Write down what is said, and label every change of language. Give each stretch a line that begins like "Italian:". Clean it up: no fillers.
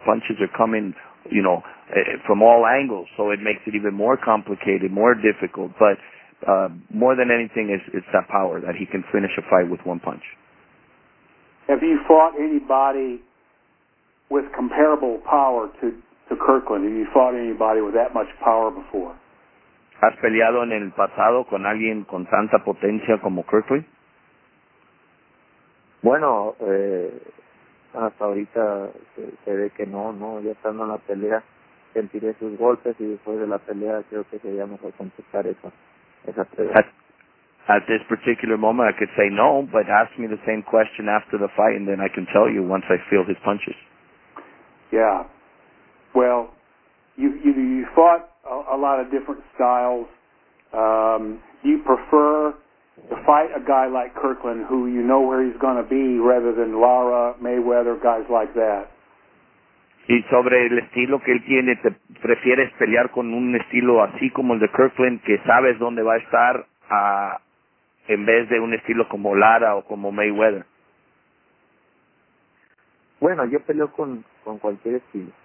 English: Punches are coming, you know, from all angles, so it makes it even more complicated, more difficult. But more than anything, it's that power, that he can finish a fight with one punch. Have you fought anybody with comparable power to Kirkland? Have you fought anybody with that much power before?
Spanish: ¿Has peleado en el pasado con alguien con tanta potencia como Kirkland? Bueno, hasta ahorita se ve que no, ya estando en la pelea sentiré sus golpes y después de la pelea creo que sería mejor contestar esa pregunta.
English: At this particular moment I could say no, but ask me the same question after the fight and then I can tell you once I feel his punches. Yeah. Well, you fought a lot of different styles. Do you prefer to fight a guy like Kirkland who you know where he's going to be rather than Lara, Mayweather, guys like that?
Spanish: Y sobre el estilo que él tiene, ¿te prefieres pelear con un estilo así como el de Kirkland, que sabes dónde va a estar, a, en vez de un estilo como Lara o como Mayweather? Bueno, yo peleo con cualquier estilo.